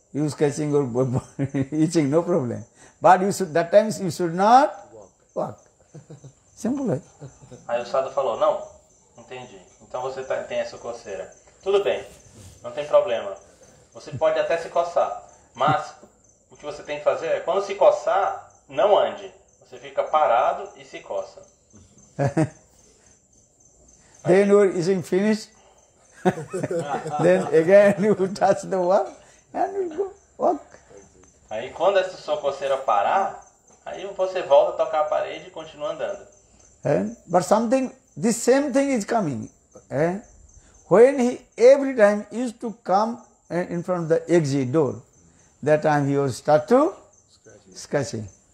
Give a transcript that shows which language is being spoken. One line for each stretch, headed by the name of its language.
English: You scratching your body, itching, no problem. But you should, that time you should not walk. Simple.
Portuguese: Aí o sadhu falou: não, entendi. Então você tem essa coceira. Tudo bem, não tem problema. Você pode até se coçar, mas o que você tem que fazer é, quando se coçar, não ande. Você fica parado e se coça.
English: Then you are finished. Then again you touch the wall and you go walk.
Portuguese: Aí quando essa sua coceira parar, aí você volta a tocar a parede e continua andando.
English: But something, the same thing is coming. When he every time used to come in front of the exit door, that time he was start to scratching.